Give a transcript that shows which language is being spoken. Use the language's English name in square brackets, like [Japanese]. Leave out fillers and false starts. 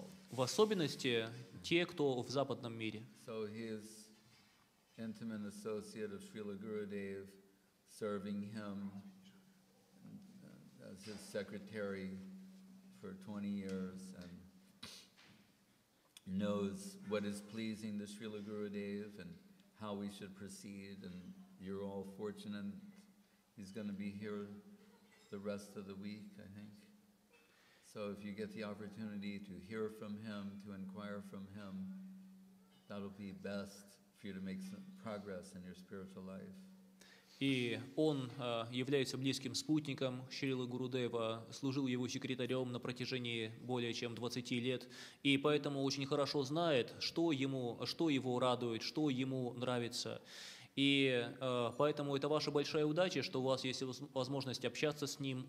[Russian] В особенности те, кто в западном мире. [English] So his intimate associate of Srila Gurudev serving him as his secretary for 20 years and knows what is pleasing to Srila Gurudev and how we should proceed, and you're all fortunate. He's going to be here the rest of the week, I think. So if you get the opportunity to hear from him, to inquire from him, that'll be best for you to make some progress in your spiritual life. [Russian] И он является близким спутником Шрилы Гурудева, служил его секретарем на протяжении более чем 20 лет, и поэтому очень хорошо знает, что его радует, что ему нравится. И поэтому это ваша большая удача, что у вас есть возможность общаться с ним.